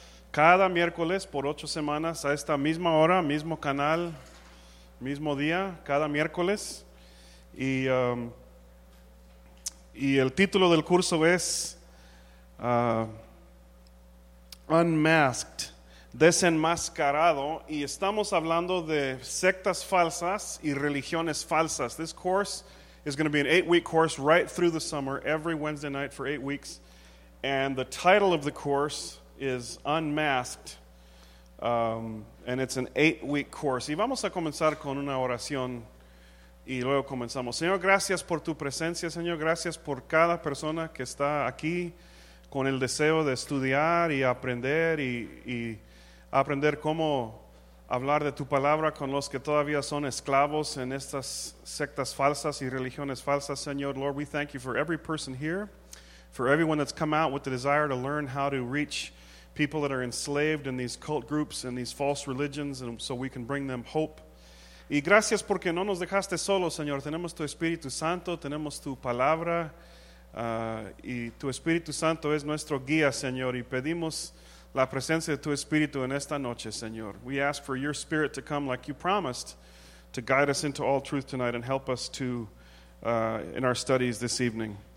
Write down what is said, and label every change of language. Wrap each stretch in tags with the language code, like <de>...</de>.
<es>Cada miércoles por 8 semanas a esta misma hora, mismo canal, mismo día, cada miércoles. Y el título del curso es Unmasked, desenmascarado, y estamos hablando de sectas falsas y religiones falsas.</es> <en>This course is going to be an 8-week course right through the summer, every Wednesday night for 8 weeks, and the title of the course is Unmasked, and it's an 8-week course.</en> <es>Y vamos a comenzar con una oración y luego comenzamos. Señor, gracias por tu presencia. Señor, gracias por cada persona que está aquí con el deseo de estudiar y aprender aprender cómo hablar de tu palabra con los que todavía son esclavos en estas sectas falsas y religiones falsas.</es> <en>Señor, Lord, we thank you for every person here, for everyone that's come out with the desire to learn how to reach people that are enslaved in these cult groups and these false religions, and so we can bring them hope.</en> <es>Y gracias porque no nos dejaste solos, Señor. Tenemos tu Espíritu Santo, tenemos tu palabra, y tu Espíritu Santo es nuestro guía, Señor, y pedimos la presencia de tu Espíritu en esta noche, Señor.</es> <en>We ask for your Spirit to come like you promised to guide us into all truth tonight and help us to in our studies this evening.</en>